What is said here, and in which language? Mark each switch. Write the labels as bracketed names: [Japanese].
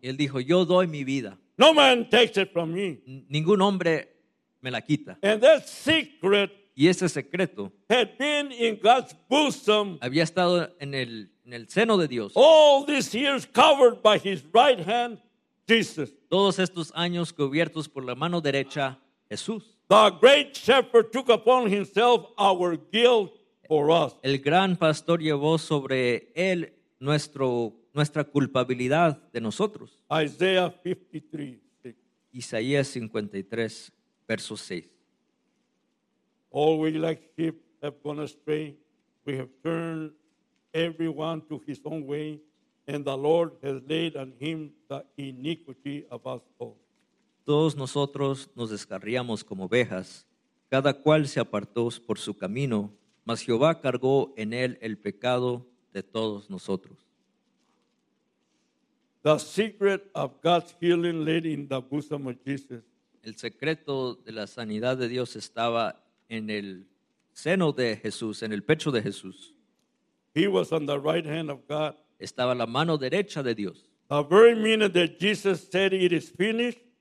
[Spanish] Y él dijo, yo doy mi vida. [English] No man takes it from me. [Spanish] Ningún hombre me la quita. [English] And that secret. [Spanish] Y ese secreto. [English] Had been in God's bosom. [Spanish] Había estado en el seno de Dios. [English] All these years covered by his right hand, Jesus. [Spanish] Todos estos años cubiertos por la mano derecha, Jesús. [English] The great shepherd took upon himself our guilt for us. [Spanish] El gran pastor llevó sobre él nuestra culpabilidad de nosotros. [English] Isaiah 53, 6. [Spanish] Isaías 53, verso 6. [English] All we like sheep have gone astray. We have turned everyone to his own way, and the Lord has laid on him the iniquity of us all. [Spanish] Todos nosotros nos descarriamos como ovejas, cada cual se apartó por su camino, mas Jehová cargó en él el pecado de todos nosotros. [English] The secret of God's healing laid in the bosom of Jesus. [Spanish] El secreto de la sanidad de Dios estaba en el seno de Jesús, en el pecho de Jesús. [English] He was on the right hand of God. [Spanish] Estaba la mano derecha de Dios. [English] The very minute that Jesus said it is finished.